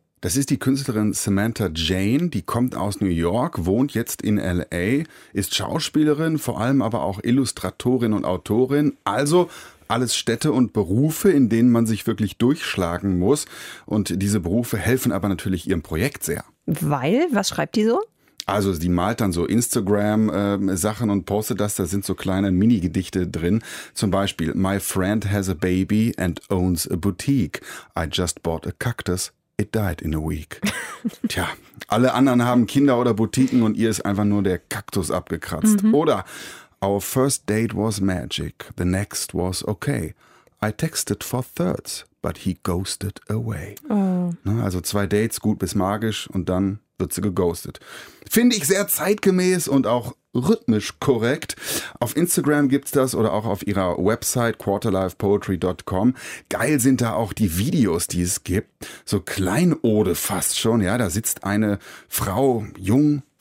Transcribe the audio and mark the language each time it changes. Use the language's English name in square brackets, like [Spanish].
[German] Das ist die Künstlerin Samantha Jane, die kommt aus New York, wohnt jetzt in L.A., ist Schauspielerin, vor allem aber auch Illustratorin und Autorin, also alles Städte und Berufe, in denen man sich wirklich durchschlagen muss. Und diese Berufe helfen aber natürlich ihrem Projekt sehr. Weil? Was schreibt die so? Also die malt dann so Instagram-Sachen und postet das. Da sind so kleine Mini-Gedichte drin. Zum Beispiel, [English] my friend has a baby and owns a boutique. I just bought a cactus. It died in a week. [German] Tja, alle anderen haben Kinder oder Boutiquen und ihr ist einfach nur der Kaktus abgekratzt. Mhm. Oder [English] our first date was magic. The next was okay. I texted for thirds, but he ghosted away. Oh. [German] Also 2 Dates, gut bis magisch und dann wird sie geghostet. Finde ich sehr zeitgemäß und auch rhythmisch korrekt. Auf Instagram gibt's das oder auch auf ihrer Website quarterlifepoetry.com. Geil sind da auch die Videos, die es gibt. So Kleinode fast schon. Ja, da sitzt eine Frau, jung,